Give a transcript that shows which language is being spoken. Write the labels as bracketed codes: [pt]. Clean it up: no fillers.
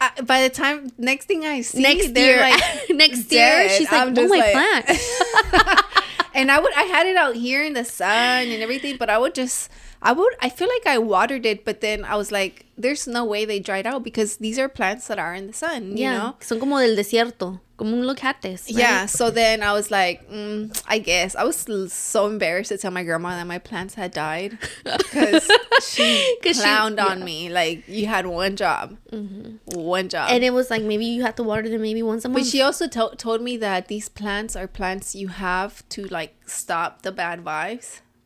[en] By the time, next thing I see, next they're year, like, next year, dead. She's like, oh, my like, plant. And I had it out here in the sun and everything, but I feel like I watered it, but then I was like, there's no way they dried out because these are plants that are in the sun, you know? [es] Son como del desierto, como un locatis, right? [en] Yeah, so then I was like, I guess. I was so embarrassed to tell my grandma that my plants had died because she clowned on me. Like, you had one job. Mm-hmm. One job. And it was like, maybe you have to water them maybe once a month. But she also told me that these plants are plants you have to, like, stop the bad vibes.